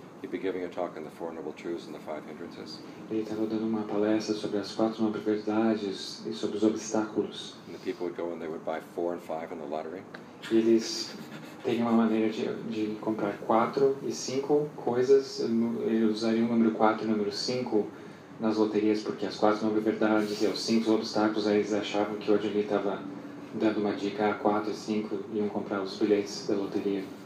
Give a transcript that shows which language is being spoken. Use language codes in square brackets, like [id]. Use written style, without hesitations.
[en] He'd be giving a talk on the Four Noble Truths and the Five Hindrances. [pt] Ele estava dando uma palestra sobre as quatro nobres verdades e sobre os obstáculos. [en] And the people would go and they would buy four and five in the lottery. [pt] Eles têm uma maneira de comprar quatro e cinco coisas. Eles usariam o número quatro e o número cinco nas loterias, porque as quatro nove verdades e os cinco obstáculos, aí eles achavam que o Ajahn Lee estava dando uma dica a quatro e cinco, iam comprar os bilhetes da loteria.